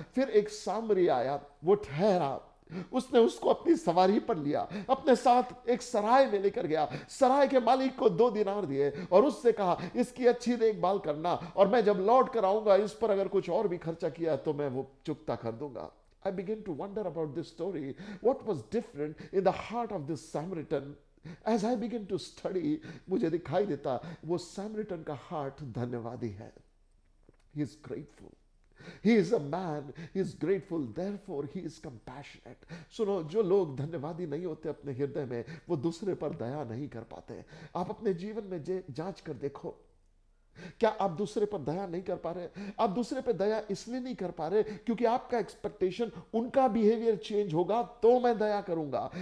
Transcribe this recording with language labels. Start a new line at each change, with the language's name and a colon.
Hindi: फिर एक सामरी आया, वो ठहरा, उसने उसको अपनी सवारी पर लिया, अपने साथ एक सराय में लेकर गया, सराय के मालिक को 2 दिनार दिए और उससे कहा इसकी अच्छी देखभाल करना और मैं जब लौट कर आऊंगा इस पर अगर कुछ और भी खर्चा किया तो मैं वो चुकता कर दूंगा.
English: I begin to wonder about this story. What was different in the heart of this Samaritan? As I begin to study,
Hindi: मुझे दिखाई देता वो Samaritan का हार्ट धन्यवादी है.
English: He is grateful. He is a man, he is grateful, therefore he is compassionate.
Hindi: सुनो, जो लोग धन्यवादी नहीं होते अपने हृदय में वो दूसरे पर दया नहीं कर पाते. आप अपने जीवन में जांच कर देखो, क्या आप दूसरे पर दया नहीं कर पा रहे? आप दूसरे पर दया इसलिए नहीं कर पा रहे क्योंकि आपका एक्सपेक्टेशन उनका बिहेवियर चेंज होगा तो मैं दया करूंगा.